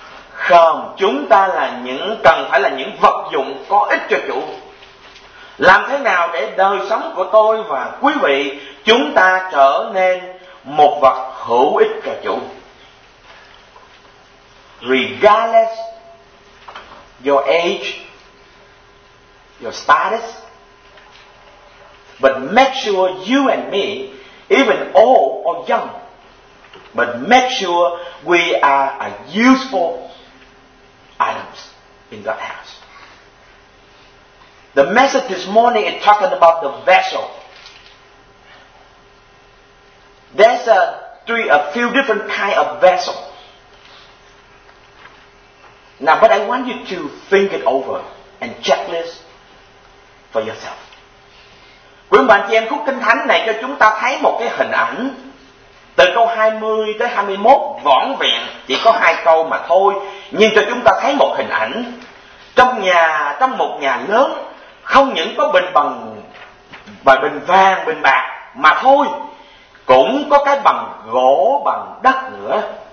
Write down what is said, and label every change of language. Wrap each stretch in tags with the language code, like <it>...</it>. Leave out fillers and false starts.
<vi>Không, chúng ta là những, cần phải là những vật dụng có ích cho chủ. Làm thế nào để đời sống của tôi và quý vị chúng ta trở nên một vật hữu ích cho chủ?</vi> <en>Regardless your age, your status, but make sure you and me, even old or young, but make sure we are a useful items in God's house. The message this morning is talking about the vessel. There's a few different kind of vessels. Now, but I want you to think it over and checklist for yourself.</en> <vi>Quyển bản chiên khúc kinh thánh này cho chúng ta thấy một cái hình ảnh từ câu 20 tới 21 vỏn vẹn, chỉ có hai câu mà thôi, nhưng cho chúng ta thấy một hình ảnh trong một nhà lớn, không những có bình bằng và bình vàng, bình bạc mà thôi, cũng có cái bằng gỗ, bằng đất nữa.</vi>